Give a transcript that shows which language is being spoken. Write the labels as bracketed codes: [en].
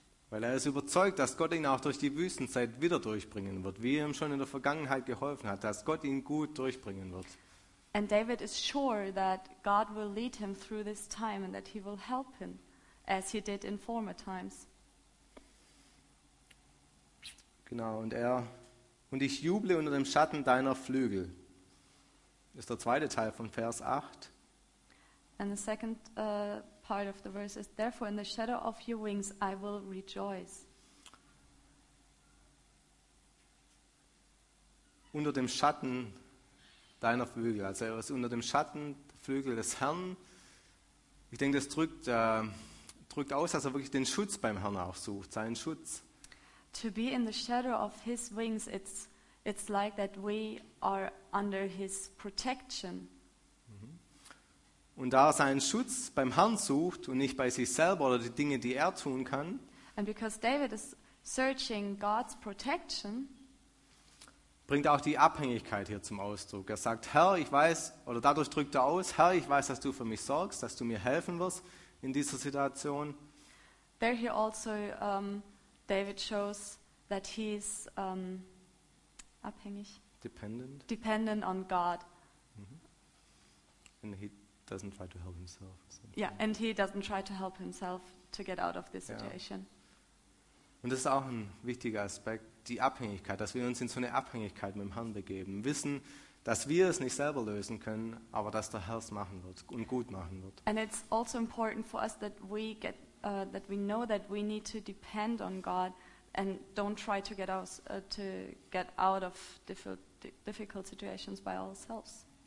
[de] Weil er ist überzeugt, dass Gott ihn auch durch die Wüstenzeit wieder durchbringen wird, wie er ihm schon in der Vergangenheit geholfen hat, dass Gott ihn gut durchbringen wird. [en] And David is sure that God will lead him through this time and that he will help him, as he did in former times. [de] Genau, und ich juble unter dem Schatten deiner Flügel. Ist der zweite Teil von Vers 8. [en] And the second part of the verse is, therefore in the shadow of your wings I will rejoice. [de] Unter dem Schatten deiner Flügel, also er ist unter dem Schatten der Flügel des Herrn. Ich denke, das drückt aus, dass er wirklich den Schutz beim Herrn auch sucht, seinen Schutz. [en] To be in the shadow of his wings, it's like that we are under his protection. [de] Und da er seinen Schutz beim Herrn sucht und nicht bei sich selber oder die Dinge, die er tun kann. [en] And because David is searching God's protection, [de] bringt auch die Abhängigkeit hier zum Ausdruck. Er sagt, Herr, ich weiß, oder dadurch drückt er aus, Herr, ich weiß, dass du für mich sorgst, dass du mir helfen wirst in dieser Situation. [en] There he also David shows that he's abhängig. Dependent on God. Mm-hmm. And he doesn't try to help himself. So. Yeah, and he doesn't try to help himself to get out of this situation. [de] Und das ist auch ein wichtiger Aspekt, die Abhängigkeit, dass wir uns in so eine Abhängigkeit mit dem Herrn begeben, wissen, dass wir es nicht selber lösen können, aber dass der Herr es machen wird und gut machen wird. [en] And it's also important for us that we get that we know that we need to depend on God and don't try to get out of difficult situations by ourselves.